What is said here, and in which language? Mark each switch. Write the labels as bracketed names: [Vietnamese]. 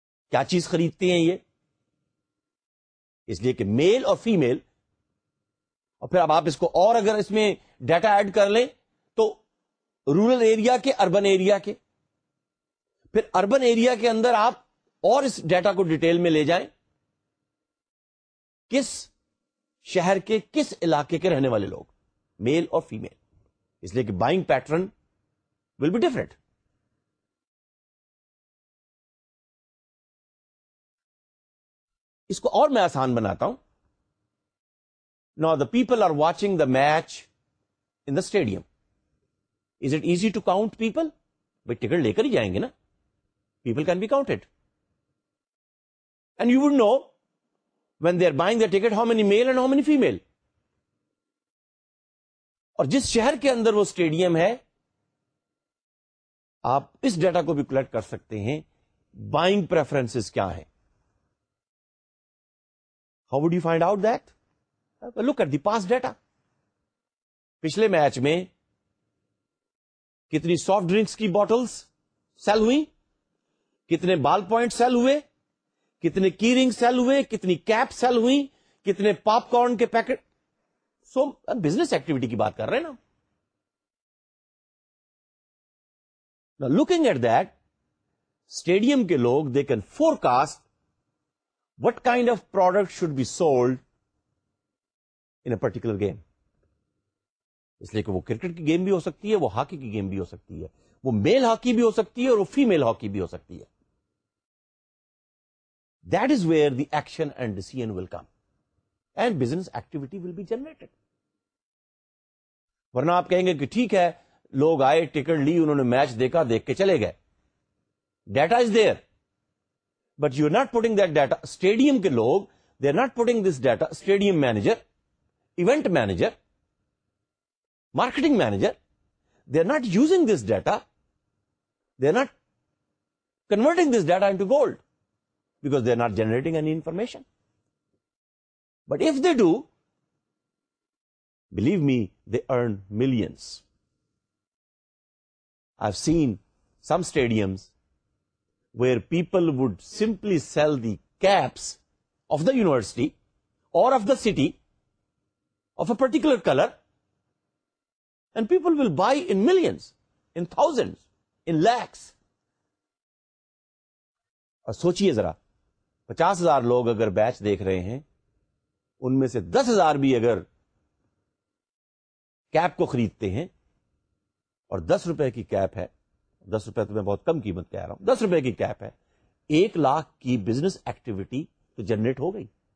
[Urdu] کیا چیز خریدتے ہیں یہ؟ اس لیے کہ میل اور فیمیل, اور پھر اب آپ اس کو اور اگر اس میں ڈیٹا ایڈ کر لیں تو رورل ایریا کے, اربن ایریا کے, پھر اربن ایریا کے اندر آپ اور اس ڈیٹا کو ڈیٹیل میں لے جائیں, کس شہر کے کس علاقے کے رہنے والے لوگ, میل اور فیمیل, اس لیے کہ buying pattern will be different. اس کو اور میں آسان بناتا ہوں. [English] Now the people are watching the match in the stadium. Is it easy to count people? [Urdu] بھائی ٹکٹ لے کر ہی جائیں گے نا, [English] people can be counted. And you would know when they are buying the ticket how many male and how many female. [Urdu] اور جس شہر کے اندر وہ stadium ہے, آپ اس ڈیٹا کو بھی کلیکٹ کر سکتے ہیں, [English] buying preferences [Urdu] کیا ہیں. [English] How would you find out that? Well, look at the past data. [Urdu] پچھلے میچ میں کتنی سافٹ ڈرنکس کی بوٹلز سیل ہوئی, کتنے بال پوائنٹ سیل ہوئے, کتنے کی رنگ سیل ہوئے, کتنی کیپ سیل ہوئی, کتنے پاپ کارن کے پیکٹ. سو بزنس ایکٹیویٹی کی بات کر رہے ہیں نا. [English] Now looking at that, [Urdu] stadium کے لوگ [English] they can forecast what kind of product should be sold in a particular game. [Urdu] اس لیے کہ وہ کرکٹ کی گیم بھی ہو سکتی ہے, وہ ہاکی کی گیم بھی ہو سکتی ہے, وہ میل ہاکی بھی ہو سکتی ہے اور وہ فیمیل ہاکی بھی ہو سکتی ہے. [English] That is where the action and decision will come and business activity will be generated. [Urdu] ورنہ آپ کہیں گے کہ ٹھیک ہے, لوگ آئے, ٹکٹ لی, انہوں نے میچ دیکھا, دیکھ کے چلے گئے. [English] Data is there. But you are not putting that data, [Urdu] stadium ke log, [English] they are not putting this data, stadium manager, event manager, marketing manager, they are not using this data, they are not converting this data into gold, because they are not generating any information. But if they do, believe me, they earn millions. I've seen some stadiums where people would simply sell the caps of the university or of the city of a particular color, and people will buy in millions, in thousands, in lakhs. [Urdu] اور سوچئے ذرا, 50,000 لوگ اگر بیچ دیکھ رہے ہیں, ان میں سے 10,000 بھی اگر کیپ کو خریدتے ہیں, اور 10 روپے کی کیپ ہے, 10 روپے تو میں بہت کم قیمت کہہ رہا ہوں, 10 روپے کی کیپ ہے, 1,00,000 کی بزنس ایکٹیویٹی تو جنریٹ ہو گئی.